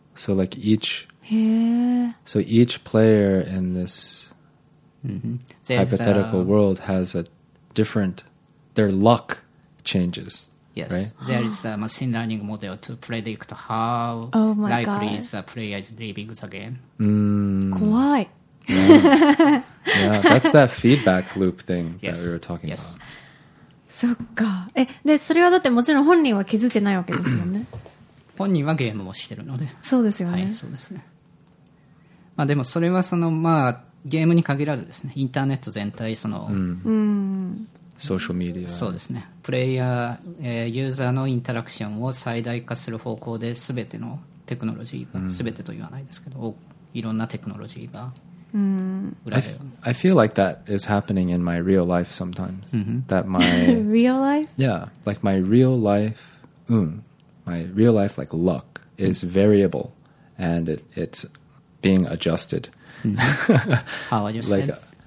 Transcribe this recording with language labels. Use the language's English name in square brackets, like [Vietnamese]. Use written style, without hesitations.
[English] So like each, so each player in this hypothetical world has a different, their luck changes. Yes, right? There is a machine learning model to predict how likely a player is leaving the game. Why? Yeah, that's that feedback loop thing that we were talking about. [Japanese] そっか。でそれはだってもちろん本人は気づいてないわけですもんね。本人はゲームをしてるので。そうですよね。はい、そうですね。まあでもそれはそのまあゲームに限らずですね。インターネット全体その、ソーシャルメディア。そうですね。プレイヤー、ユーザーのインタラクションを最大化する方向で全てのテクノロジーが、全てと言わないですけど、いろんなテクノロジーが。 [English] I feel like that is happening in my real life sometimes. That my real life? Yeah, like my real life, my real life like luck is variable and it's being adjusted. How adjusted? Like,